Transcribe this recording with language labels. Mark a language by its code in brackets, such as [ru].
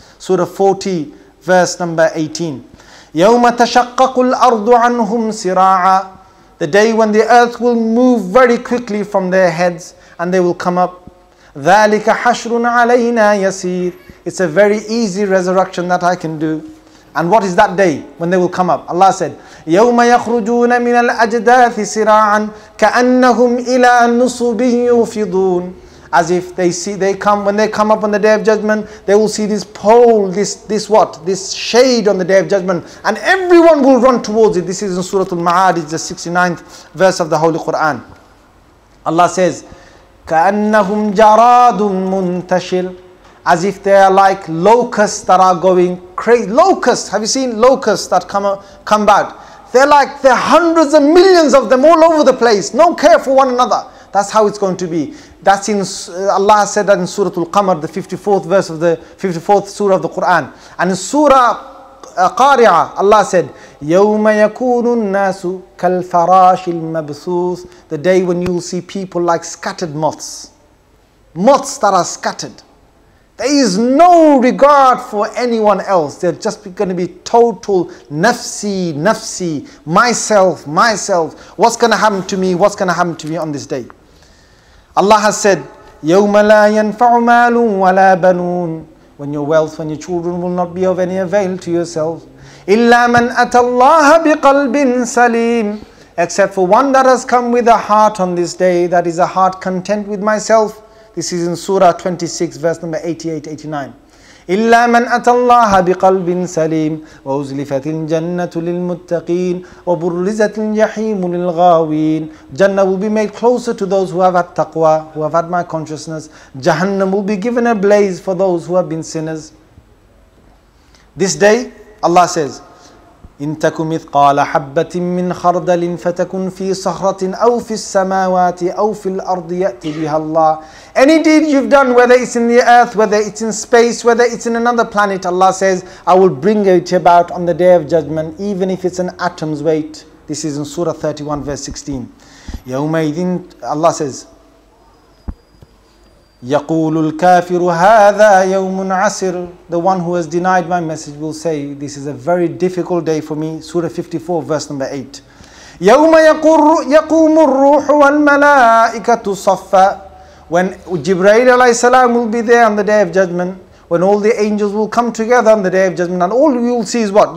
[en] Surah 40, verse number 18. [ar] يَوْمَ تَشَقَّقُ الْأَرْضُ عَنْهُمْ سِرَاعًا. [en] The day when the earth will move very quickly from their heads and they will come up. [ar] ذَلِكَ حَشْرٌ عَلَيْنَا يَسِيرٌ. [en] It's a very easy resurrection that I can do. And what is that day when they will come up? Allah said, [ar] يَوْمَ يَخْرُجُونَ مِنَ الْأَجْدَاثِ سِرَاعًا كَأَنَّهُمْ إِلَىٰ نُصُبٍ يُوفِضُونَ. [en] As if they see, they come, when they come up on the Day of Judgment, they will see this pole, this shade on the Day of Judgment, and everyone will run towards it. This is in Surah Al-Ma'ad, it's the 69th verse of the Holy Quran. Allah says, [ar] كَأَنَّهُمْ جَرَادٌ مُنْتَشِلٌ. [en] As if they are like locusts that are going crazy. Locusts, have you seen locusts that come back? They're like, there are hundreds of millions of them all over the place. No care for one another. That's how it's going to be. That's in, Allah said that in Surah Al-Qamar, the 54th verse of the 54th Surah of the Quran. And in Surah Qari'ah, Allah said, [ar] يَوْمَ يَكُونُ النَّاسُ كَالْفَرَاشِ الْمَبْثُوثِ. [en] The day when you'll see people like scattered moths. Moths that are scattered. There is no regard for anyone else. They're just going to be total nafsi, nafsi, myself, myself. What's going to happen to me? What's going to happen to me on this day? Allah has said, [ar] يَوْمَ لَا يَنْفَعُ مَالٌ وَلَا بَنُونَ. [en] When your wealth, when your children will not be of any avail to yourself. [ar] إِلَّا مَنْ أَتَى اللَّهَ بِقَلْبٍ سَلِيمٍ. [en] Except for one that has come with a heart on this day, that is a heart content with myself. This is in Surah 26, verse number 88-89. [ar] إِلَّا مَنْ أَتَى اللَّهَ بِقَلْبٍ سَلِيمٍ وَأُزْلِفَتِ الْجَنَّةُ لِلْمُتَّقِينَ وَبُرِّزَتِ الْجَحِيمُ لِلْغَاوِينَ. [en] Jannah will be made closer to those who have had taqwa, who have had my consciousness. Jahannam will be given a blaze for those who have been sinners. This day, Allah says, [ar] إِن تَكُ مِثْقَالَ حَبَّةٍ مِّنْ خَرْدَلٍ فَتَكُنْ فِي صَخْرَةٍ أَوْ فِي السَّمَاوَاتِ أَوْ فِي الْأَرْضِ يَأْتِ بِهَا اللَّهِ. [en] Any deed you've done, whether it's in the earth, whether it's in space, whether it's in another planet, Allah says, I will bring it about on the Day of Judgment, even if it's an atom's weight. This is in Surah 31, verse 16. [ar] يَوْمَئِذٍ, [en] Allah says, [ar] يَقُولُ الْكَافِرُ هَذَا يَوْمٌ عَسِرٌ. [en] The one who has denied my message will say, this is a very difficult day for me. Surah 54, verse number 8. [ar] يَوْمَ يَقُومُ الرُّوحُ وَالْمَلَائِكَةُ صَفَّةً. [en] When Jibreel alayhi salam will be there on the Day of Judgment, when all the angels will come together on the Day of Judgment, and all you'll see is what?